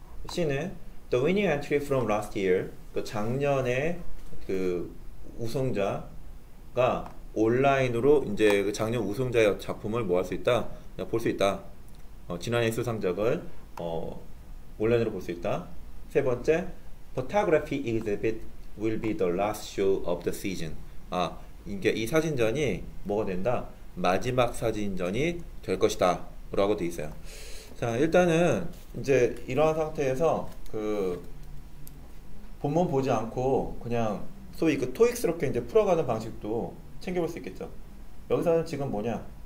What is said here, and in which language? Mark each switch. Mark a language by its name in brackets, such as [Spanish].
[English] C는 the winning entry from last year. [Korean] 그 작년에 그 우승자가 온라인으로 이제 작년 우승자의 작품을 뭐할수 있다? 볼수 있다. 지난해 수상작을 온라인으로 볼수 있다. 세 번째, [English] photography exhibit will be the last show of the season. [Korean] 아, 이게 이 사진전이 뭐가 된다? 마지막 사진전이 될 것이다. 라고 돼 있어요. 자, 일단은 이제 이러한 상태에서 그 본문 보지 않고 그냥 소위 그 토익스럽게 이제 풀어가는 방식도 챙겨볼 수 있겠죠. 여기서는 지금 뭐냐?